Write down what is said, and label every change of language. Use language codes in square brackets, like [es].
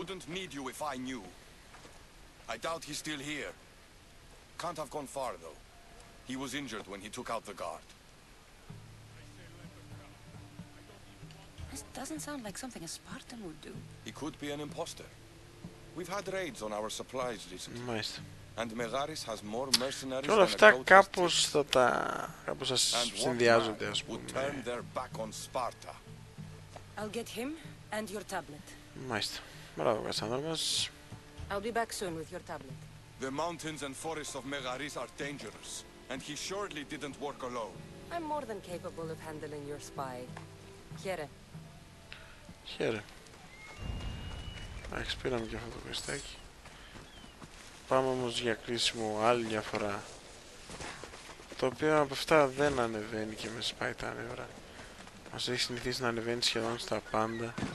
[en] Wouldn't need you if I knew. I doubt he's still here. Can't have gone far, though. He was injured when he took out the guard. This doesn't sound like something a Spartan would do. He could be an imposter. We've had raids on our supplies recently. Nice. And Megaris has more mercenaries. [el] Τώρα αυτά κάπως θα τα κάπως συνδυάζονται, ας πούμε. [en] Turn their back on Sparta. I'll get him and your tablet. [el] Μάλιστα. Μπράβο, Κασάνδρα μας. [en] I'll be back soon with your tablet. The mountains and forests of Megaris are dangerous, and he surely didn't work alone. I'm more than capable of handling your spy. [el] Χαίρε. Χαίρε. Εντάξει, πήραμε και αυτό το κουστάκι. Πάμε όμως για κλείσιμο άλλη μια φορά. Το οποίο από αυτά δεν ανεβαίνει και με σπάει τα νεύρα. Μας έχει συνηθίσει να ανεβαίνει σχεδόν στα πάντα.